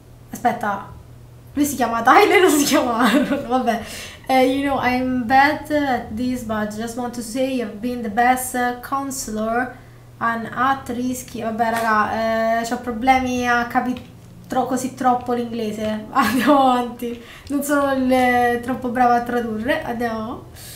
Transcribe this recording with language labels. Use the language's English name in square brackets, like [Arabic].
[Italian] Aspetta, lui si chiama Tyler o si chiama Aaron? [English] Vabbè, you know, I'm bad at this, but just want to say you've been the best counselor and at risk. [Italian] Vabbè, raga, c'ho problemi a capire così troppo l'inglese. Andiamo avanti. Non sono troppo brava a tradurre. Andiamo.